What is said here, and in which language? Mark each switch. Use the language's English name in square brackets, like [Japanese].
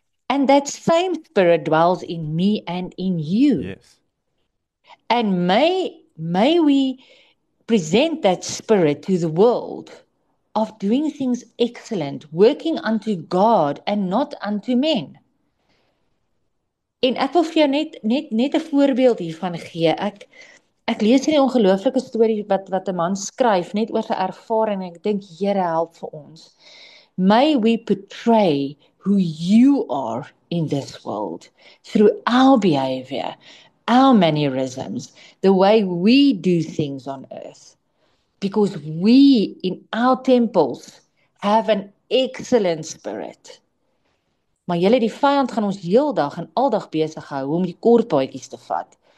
[English] And that same spirit dwells in me and in you. Yes. And may we present that spirit to the world of doing things excellent, working unto God and not unto men. [Afrikaans] En ek wil vir jou net 'n voorbeeld hiervan gee. Ek lees hierdie ongelooflike storie wat 'n man skryf net oor sy ervaring, en ek dink, Here, help vir ons. [English] May we portray who you are in this world through our behavior, our mannerisms, the way we do things on earth. Because we in our temples have an excellent spirit. [Afrikaans] Maar julle, die vyand gaan ons heeldag en aldag besig hou om die kort paadjies te vat.